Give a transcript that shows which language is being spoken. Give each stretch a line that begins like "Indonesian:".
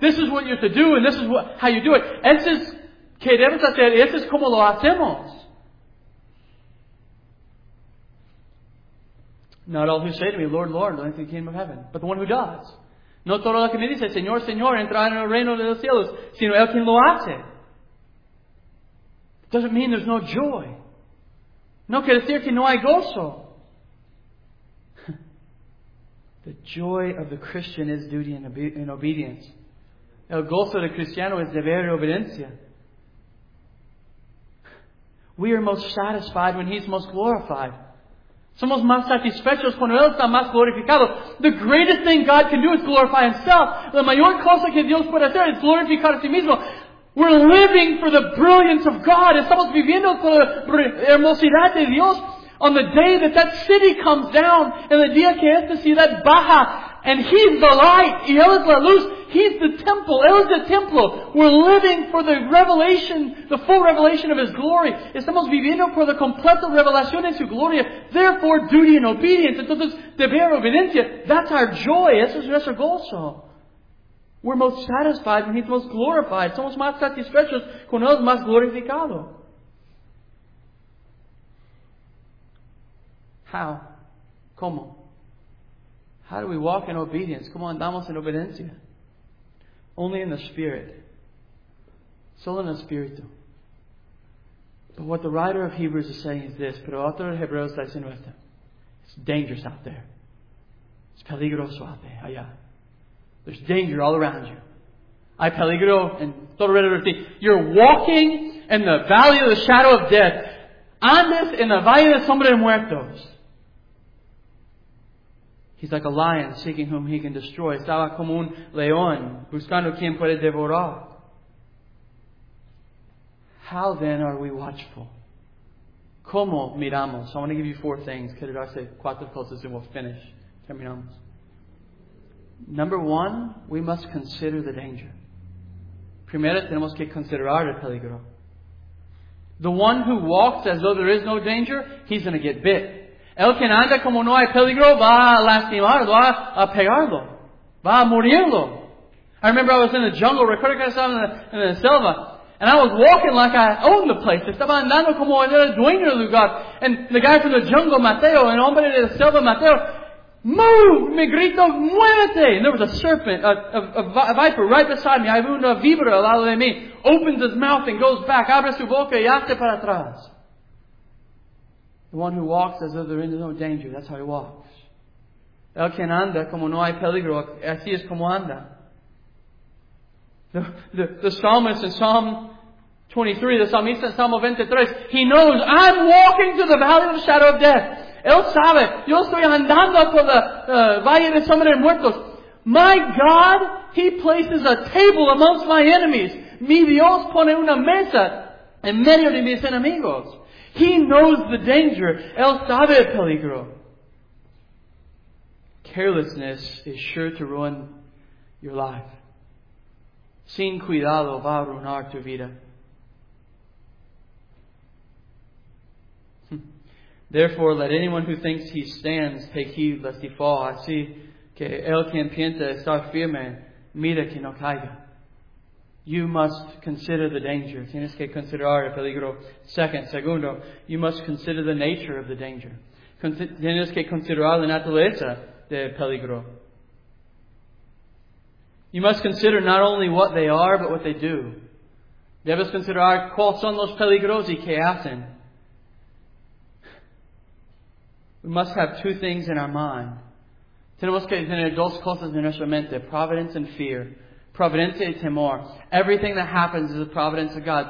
English: This is what you're to do, and this is how you do it.
Spanish: Eso es que debes hacer, eso es como lo hacemos.
English: Not all who say to me, Lord, Lord, enter the kingdom of heaven. But the one who does.
Spanish: No todo lo que me dice, Señor, Señor, entrar en el reino de los cielos. Sino el quien lo hace.
English: Doesn't mean there's no joy.
Spanish: No quiere decir que no hay gozo.
English: The joy of the Christian is duty and obedience.
Spanish: El gozo del cristiano es deber y obediencia.
English: We are most satisfied when He's most glorified.
Spanish: Somos más satisfechos cuando Él está más glorificado.
English: The greatest thing God can do is glorify Himself.
Spanish: La mayor cosa que Dios puede hacer es glorificar a sí mismo.
English: We're living for the brilliance of God.
Spanish: Estamos viviendo por la hermosidad de Dios.
English: On the day that that city comes down,
Spanish: en el día que esta ciudad baja,
English: and He's the light,
Spanish: y Él es la luz,
English: He's the temple,
Spanish: Él es el templo.
English: We're living for the revelation, the full revelation of His glory.
Spanish: Estamos viviendo por la completa revelación de su gloria.
English: Therefore, duty and obedience.
Spanish: Entonces, deber obediencia.
English: That's our joy.
Spanish: Eso es nuestro gozo.
English: We're most satisfied when He's most glorified.
Spanish: Somos más satisfechos cuando Él es más glorificado.
English: How?
Spanish: ¿Cómo?
English: How do we walk in obedience?
Spanish: ¿Cómo andamos en obediencia?
English: Only in the Spirit.
Spanish: Solo en el Espíritu.
English: But what the writer of Hebrews is saying is this,
Spanish: pero el autor de Hebreos está diciendo esto.
English: It's dangerous out there.
Spanish: Es peligroso
English: out there,
Spanish: allá.
English: There's danger all around you.
Spanish: Hay peligro en todo alrededor de ti.
English: You're walking in the valley of the shadow of death.
Spanish: Andes en el valle de sombra de muertos.
English: He's like a lion seeking whom he can destroy.
Spanish: Estaba como un león buscando quien puede devorar.
English: How then are we watchful?
Spanish: ¿Cómo miramos?
English: So I want to give you four things.
Spanish: Quiero darte cuatro cosas
English: and we'll finish.
Spanish: Terminamos.
English: Number one, we must consider the danger.
Spanish: Primero, tenemos que considerar el peligro.
English: The one who walks as though there is no danger, he's going to get bit.
Spanish: El que anda como no hay peligro, va a lastimarlo, va a pegarlo, va a morirlo.
English: I remember I was in the jungle,
Spanish: recuerdo que estaba en la selva,
English: and I was walking like I owned the place.
Spanish: Estaba andando como era dueño del lugar.
English: And the guy from the jungle,
Spanish: Mateo, el hombre de la selva, Mateo,
English: move,
Spanish: me grito, muévete.
English: And there was a serpent, a viper right beside me.
Spanish: Había una víbora al lado de mí.
English: Opens his mouth and goes back.
Spanish: Abre su boca y hace para atrás.
English: The one who walks as though there is no danger. That's how he walks.
Spanish: El que anda como no hay peligro. Así es como anda.
English: The psalmist in Psalm 23, the psalmist in Psalm 23, he knows, I'm walking through the valley of the shadow of death.
Spanish: Él sabe, yo estoy andando por la valle de sombra de muertos.
English: My God, He places a table amongst my enemies.
Spanish: Mi Dios pone una mesa en medio de mis enemigos.
English: He knows the danger.
Spanish: Él sabe el peligro.
English: Carelessness is sure to ruin your life.
Spanish: Sin cuidado va a arruinar tu vida.
English: Therefore, let anyone who thinks he stands take heed lest he fall.
Spanish: Así que el que piensa estar firme, mira que no caiga.
English: You must consider the danger.
Spanish: Tienes que considerar el peligro. Segundo,
English: you must consider the nature of the danger.
Spanish: Tienes que considerar la naturaleza del peligro.
English: You must consider not only what they are, but what they do.
Spanish: Debes considerar cuáles son los peligros y qué hacen.
English: We must have two things in our mind.
Spanish: Tenemos que tener dos cosas en nuestra mente,
English: providence and fear.
Spanish: Providencia y temor.
English: Everything that happens is the providence of God.